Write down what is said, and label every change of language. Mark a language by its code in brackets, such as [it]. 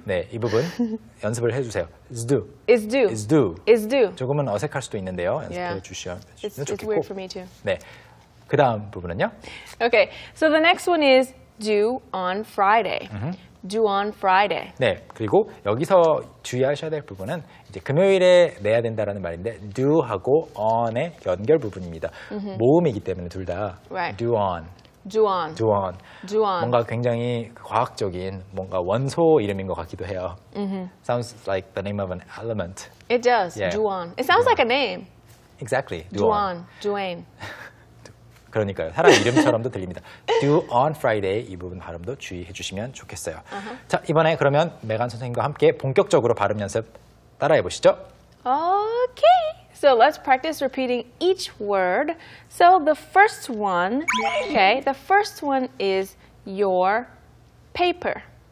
[ko] 네, 이 부분 연습을 해 주세요. [en] Is do. Is do. Is do. Is do. [ko] 조금은 어색할 수도 있는데요. 연습해 yeah. 주시면 [en] it's, [ko] 좋겠고. [en] It's weird for me too. [ko] 네. 그다음 부분은요? [en] Okay. So the next one is do on Friday. Mm-hmm. Do on Friday. [ko] 네, 그리고 여기서 주의하셔야 될 부분은 이제 금요일에 내야 된다라는 말인데 do 하고 on의 연결 부분입니다. Mm-hmm. 모음이기 때문에 둘 다 [en] right. do on, do on, do on, do on. [ko] 뭔가 굉장히 과학적인 뭔가 원소 이름인 것 같기도 해요. Mm-hmm. [en] Sounds like the name of an element. It does. Yeah. Do on. It sounds like a name. Exactly. Do on. Duane. [ko] 그러니까요. 사람 이름처럼도 들립니다. [en] Do on Friday [ko] 이 부분 발음도 주의해 주시면 좋겠어요. Uh-huh. 자, 이번에 그러면 메간 선생님과 함께 본격적으로 발음 연습 따라해 보시죠. [en] Okay. So let's practice repeating each word. So the first one, okay, the first one is your paper.